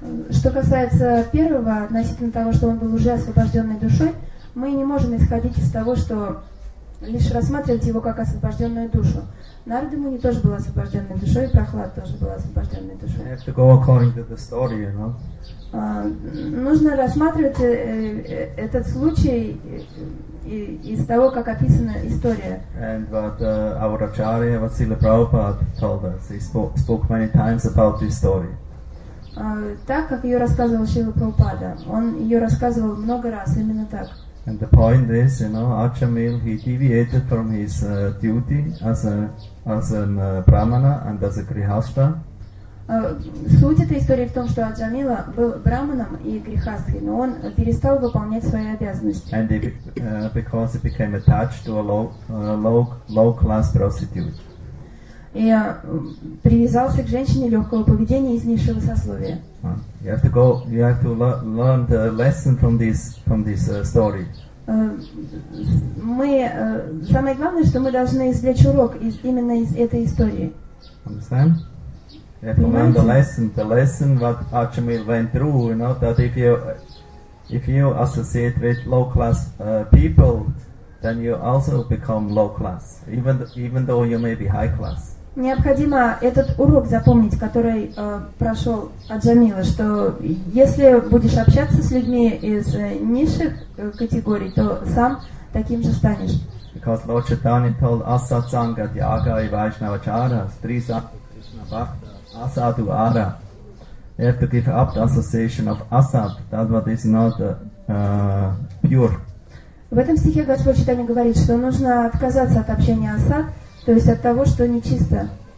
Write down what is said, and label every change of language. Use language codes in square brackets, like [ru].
[ru] Что касается первого, относительно того, что он был уже освобожденной душой, мы не можем исходить из того, что лишь рассматривать его как освобожденную душу. Нарада Муни тоже был освобожденной душой, и Прахлад тоже был освобожденной душой. [en] You have to go according to the story, you know? [ru] Нужно рассматривать этот случай из того, как описана история. [en] And what our Acharya Vasila Prabhupada told us, he spoke many times about this story. [ru] Так, как ее рассказывал Шрила Прабхупада. Он ее рассказывал много раз, именно так. [en] And the point is, you know, Achamil, he deviated from his duty as a brahmana and as a grihastha. [ru] Суть этой истории в том, что Аджамила был браманом и грихастхой, но он перестал выполнять свои обязанности. [en] And he, because he became attached to a low-class prostitute. [ru] И привязался к женщине легкого поведения из низшего сословия. [en] You have to go. You have to learn the lesson from this story. [ru] Самое главное, что мы должны извлечь урок именно из этой истории. [en] Understand? You have to learn the lesson. The lesson what Achamil went through. You know that if you associate with low class people, then you also become low class, even though you may be high class. [ru] Необходимо этот урок запомнить, который прошел Аджамила, что если будешь общаться с людьми из низших категорий, то сам таким же станешь. [en] Because Lord Chaitanya told Asat Sangha, Yaga и Vaishnava Chara, Stri Sangha, Krishna Bhakta, Asadu Ara. You have to give up the association of Asat, that what is not pure. [ru] В этом стихе Господь Читания говорит, что нужно отказаться от общения Асад, то есть от того, что нечисто.